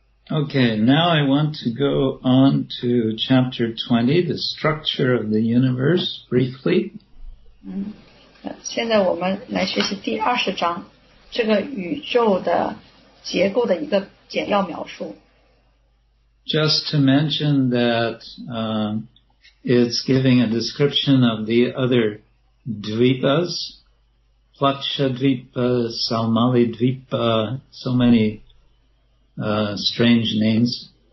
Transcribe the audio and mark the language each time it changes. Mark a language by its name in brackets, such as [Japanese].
[English] Okay, now I want to go on to chapter 20, the structure of the universe, briefly. [Chinese] 现在我们来学习第20章, 这个宇宙的结构的一个简要描述。 [English] Just to mention that it's giving a description of the other dvipas, Plakshadvipa, Salmali Dvipa, so many strange names.